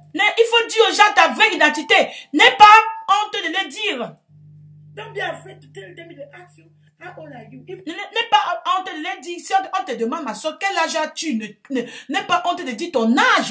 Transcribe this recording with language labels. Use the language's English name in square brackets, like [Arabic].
[French] Mais il faut dire aux gens ta vraie identité. N'aie pas honte de le dire. [English] Don't be afraid to tell them. They ask you, how old are you? [French] N'aie pas honte de le dire. Si on te demande, ma soeur, quel âge as-tu? N'aie pas honte de dire ton âge.